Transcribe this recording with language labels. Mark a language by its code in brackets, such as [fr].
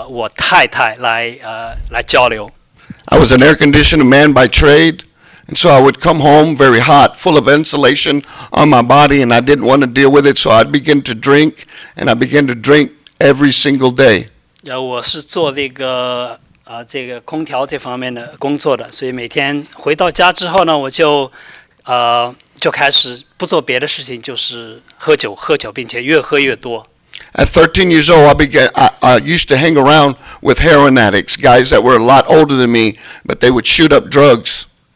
[zh] 我虽然我已经不再用毒品，但是我开始酗酒，因为我不想和我太太来交流。 [en] I was an air conditioned man by trade, and so I would come home very hot, full of insulation on my body, and I didn't want to deal with it, so I'd begin to drink, and I began to drink every single day. [zh] 我是做这个空调这方面的工作的，所以每天回到家之后呢，我就开始不做别的事情，就是喝酒，并且越喝越多。 [en] At 13 years old, I used to hang around with heroin addicts, guys that were a lot older than me, but they would shoot up drugs.